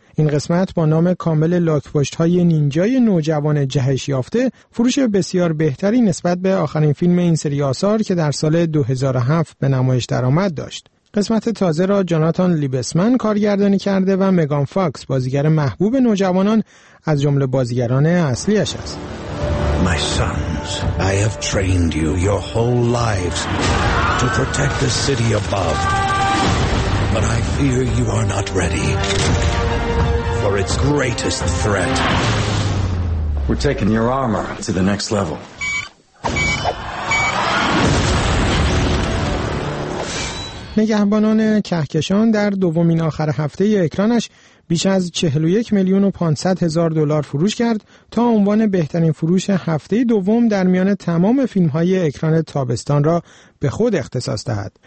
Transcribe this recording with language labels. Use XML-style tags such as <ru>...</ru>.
<fa>این قسمت با نام کامل لاک‌پشت‌های نینجای نوجوان جهش یافته فروش بسیار بهتری نسبت به آخرین فیلم این سری آثار که در سال 2007 به نمایش درآمد داشت. قسمت تازه را جاناتان لیبسمن کارگردانی کرده و مگان فاکس بازیگر محبوب نوجوانان از جمله بازیگران اصلیش است.</fa> <en>My sons, I have trained you your whole lives to protect the city above. But I fear you are not ready. For its greatest threat. We're taking your armor to the next level.</en> <fa>نگهبانان کهکشان در دومین آخر هفته اکرانش بیش از 41 میلیون و 500 هزار دلار فروش کرد تا عنوان بهترین فروش هفته دوم در میان تمام فیلم‌های اکران تابستان را به خود اختصاص دهد.</fa>